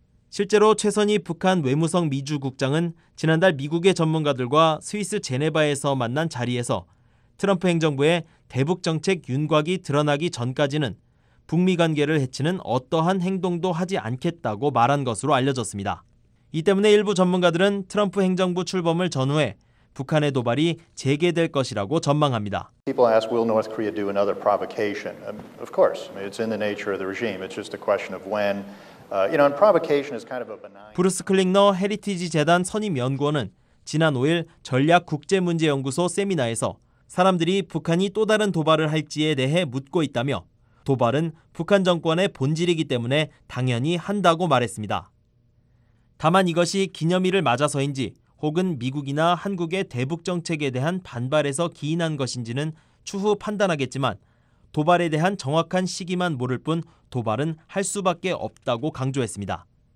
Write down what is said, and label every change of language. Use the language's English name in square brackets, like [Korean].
[Korean] 실제로 최선희 북한 외무성 미주 국장은 지난달 미국의 전문가들과 스위스 제네바에서 만난 자리에서 트럼프 행정부의 대북 정책 윤곽이 드러나기 전까지는 북미 관계를 해치는 어떠한 행동도 하지 않겠다고 말한 것으로 알려졌습니다. 이 때문에 일부 전문가들은 트럼프 행정부 출범을 전후해 북한의 도발이 재개될 것이라고 전망합니다. [English] People ask, will North Korea do another provocation? Of course. It's in the nature of the regime. It's just a question of when. You know, and provocation is kind of a benign. [Korean] 브루스 클링너 헤리티지 재단 선임 연구원은 지난 5일 전략 국제 문제 연구소 세미나에서 사람들이 북한이 또 다른 도발을 할지에 대해 묻고 있다며 도발은 북한 정권의 본질이기 때문에 당연히 한다고 말했습니다. 다만 이것이 기념일을 맞아서인지 혹은 미국이나 한국의 대북 정책에 대한 반발에서 기인한 것인지는 추후 판단하겠지만 도발에 대한 정확한 시기만 모를 뿐 도발은 할 수밖에 없다고 강조했습니다.